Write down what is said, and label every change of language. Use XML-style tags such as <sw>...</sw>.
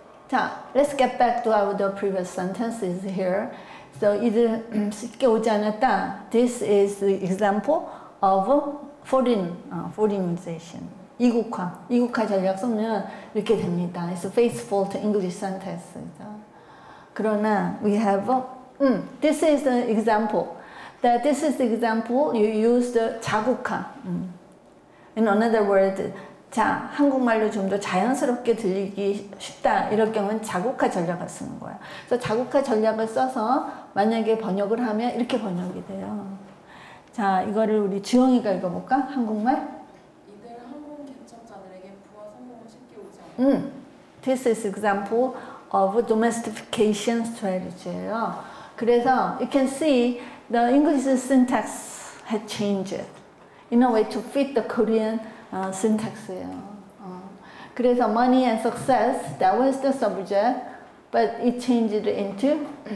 <en>자, let's get back to our the previous sentences here.</en> <ko>So, 이들 쉽게 오지 않았다.</ko> <en>This is the example of foreignization. 이국화.</en> <ko>이국화 전략 쓰면 이렇게 됩니다.</ko> <en>It's faithful to English sentence.</en> <ko>그러나,</ko> <en>we have, this is the example. That this is the example you use the 자국화. In another word,</en> <ko>자, 한국말로 좀 더 자연스럽게 들리기 쉽다. 이럴 경우는 자국화 전략을 쓰는 거야. 그래서 자국화 전략을 써서 만약에 번역을 하면 이렇게 번역이 돼요. 자, 이거를 우리 주영이가 읽어볼까? 한국말? 이들은 한국 개척자들에게 부와 성공을 쉽게 오지 않아요.</ko> <en>This is example of domestication strategy예요.</en> <ko>그래서</ko> <en>you can see the English syntax had changed in a way to fit the Korean syntax예요.</en> <ko>그래서</ko> <en>money and success, that was the subject, but it changed into.</en>